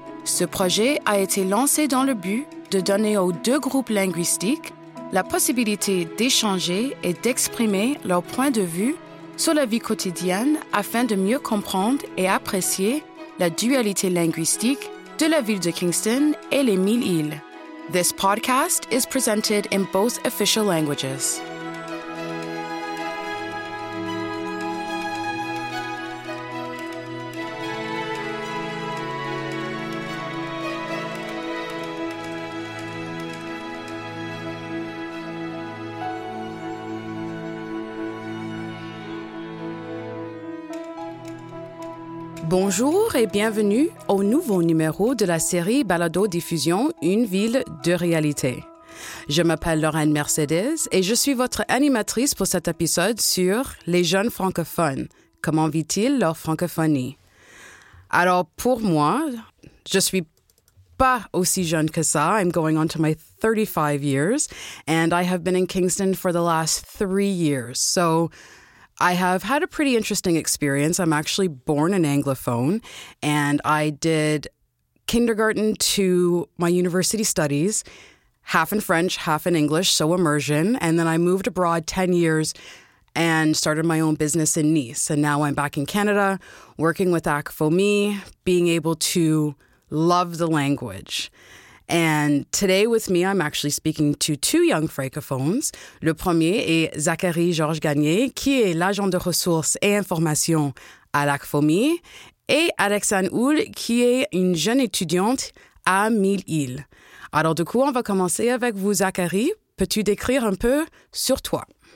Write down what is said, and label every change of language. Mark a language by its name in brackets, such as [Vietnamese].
[French] Ce projet a été lancé dans le but de donner aux deux groupes linguistiques la possibilité d'échanger et d'exprimer leur point de vue sur la vie quotidienne afin de mieux comprendre et apprécier la dualité linguistique de la ville de Kingston et les Mille Îles. [English] This podcast is presented in both official languages. [French] Bonjour et bienvenue au nouveau numéro de la série Balado Diffusion, une ville, deux réalités. Je m'appelle Lorraine Mercedes et je suis votre animatrice pour cet épisode sur les jeunes francophones. Comment vit-il leur francophonie? Alors pour moi, je suis pas aussi jeune que ça. [English] I'm going on to my 35 years and I have been in Kingston for the last 3 years. So I have had a pretty interesting experience. I'm actually born an Anglophone, and I did kindergarten to my university studies, half in French, half in English, so immersion. And then I moved abroad 10 years and started my own business in Nice. And now I'm back in Canada working with ACFOMI, being able to love the language. And today with me, I'm actually speaking to two young francophones. [French] Le premier est Zachary Georges Gagné, qui est l'agent de ressources et information à l'ACFOMI, et Alexandre Houle, qui est une jeune étudiante à Mille Îles. Alors du coup, on va commencer avec vous, Zachary. Peux-tu décrire un peu sur toi?